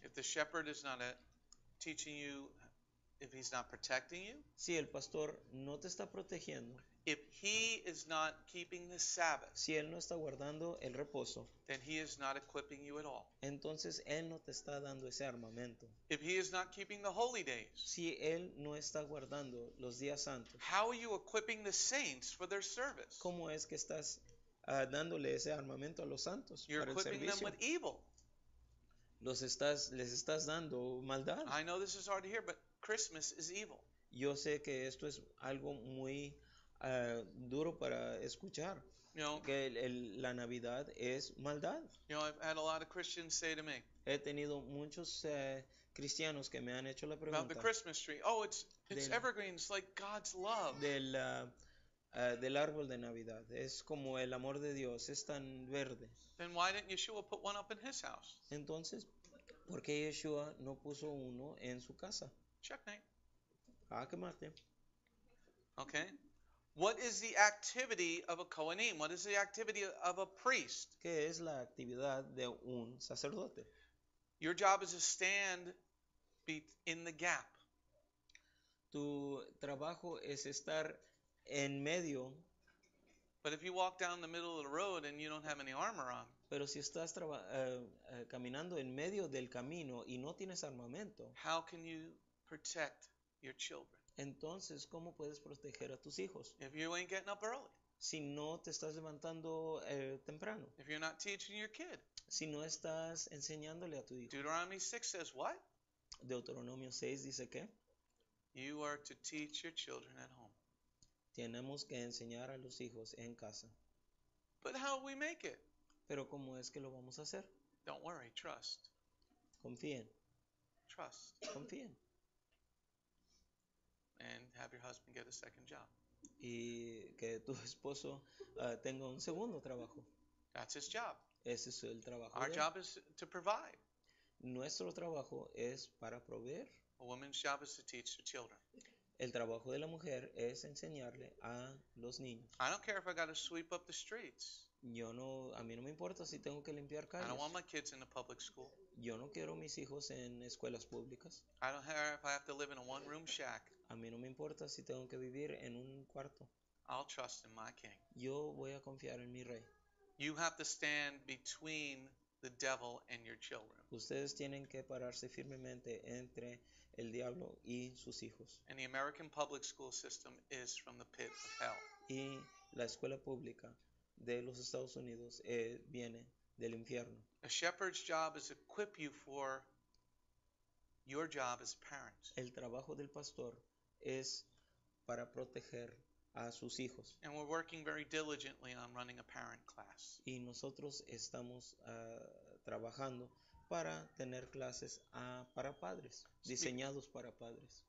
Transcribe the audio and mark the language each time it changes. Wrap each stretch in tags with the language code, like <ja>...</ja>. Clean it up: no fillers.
<en>If the shepherd is not teaching you, if he's not protecting you,</en> <es>si el pastor no te está protegiendo,</es> <en>if he is not keeping the Sabbath,</en> <es>si él no está guardando el reposo,</es> <en>then he is not equipping you at all.</en> <es>Entonces él no te está dando ese armamento.</es> <en>If he is not keeping the holy days,</en> <es>si él no está guardando los días santos,</es> <en>how are you equipping the saints for their service?</en> <es>¿Cómo es que estás dándole ese armamento a los santos</es> <en>You're</en> <es>para</es> <en>equipping</en> <es>el servicio?</es> <en>Them with evil.</en> <es>Les estás dando maldad.</es> <en>I know this is hard to hear, but Christmas is evil.</en> <es>Yo sé que esto es algo muy duro para escuchar,</es> <en>you know,</en> <es>que la Navidad es maldad.</es> <en>You know, I've had a lot of Christians say to me,</en> <es>he tenido muchos cristianos que me han hecho la pregunta</es> <en>about the Christmas tree. Oh, it's evergreen. It's like God's love.</en> <es>Del árbol de Navidad. Es como el amor de Dios. Es tan verde.</es> <en>Then why didn't Yeshua put one up in his house?</en> <es>Entonces, ¿por qué Yeshua no puso uno en su casa?</es> <en>Checkmate. Okay. What is the activity of a Kohanim? What is the activity of a priest?</en> <es>¿Qué es la actividad de un sacerdote?</es> <en>Your job is to stand in the gap.</en> <es>Tu trabajo es estar en medio.</es> <en>But if you walk down the middle of the road and you don't have any armor on,</en> <es>pero si estás caminando en medio del camino y no tienes armamento,</es> <en>how can you protect your children?</en> <es>Entonces, ¿cómo puedes proteger a tus hijos?</es> <en>If you ain't getting up early.</en> <es>Si no te estás levantando temprano.</es> <en>If you're not teaching your kid.</en> <es>Si no estás enseñándole a tu hijo.</es> <en>Deuteronomy 6 says what?</en> <es>Deuteronomio 6 dice ¿qué?</es> <en>You are to teach your children at home.</en> <es>Tenemos que enseñar a los hijos en casa.</es> <en>But how we make it?</en> <es>Pero ¿cómo es que lo vamos a hacer?</es> <en>Don't worry, trust.</en> <es>Confíen.</es> <en>Trust.</en> <es>Confíen.</es> <en>And have your husband get a second job.</en> <es>Y que tu esposo tenga un segundo trabajo.</es> <en>That's his job.</en> <es>Ese es el trabajo.</es> <en>Our job is to provide.</en> <es>Nuestro trabajo es para proveer.</es> <en>A woman's job is to teach the children.</en> <es>El trabajo de la mujer es enseñarle a los niños.</es> <en>I don't care if I got to sweep up the streets.</en> <es>Yo no, a mí no me importa si tengo que limpiar calles.</es> <en>I don't want my kids in a public school.</en> <es>Yo no quiero mis hijos en escuelas públicas.</es> <en>I don't care if I have to live in a one-room shack.</en> <es>A mí no me importa si tengo que vivir en un cuarto.</es> <en>I'll trust in my king.</en> <es>Yo voy a confiar en mi rey.</es> <en>You have to stand between the devil and your children.</en> <es>Ustedes tienen que pararse firmemente entre el diablo y sus hijos.</es> <en>And the American public school system is from the pit of hell.</en> <es>Y la escuela pública de los Estados Unidos viene del infierno.</es> <en>A shepherd's job is to equip you for your job as parents.</en> <es>El trabajo del pastor es para proteger a sus hijos.</es> <en>And we're working very diligently on running a parent class.</en> <es>Y nosotros estamos trabajando para tener clases para padres, diseñados para padres.</es>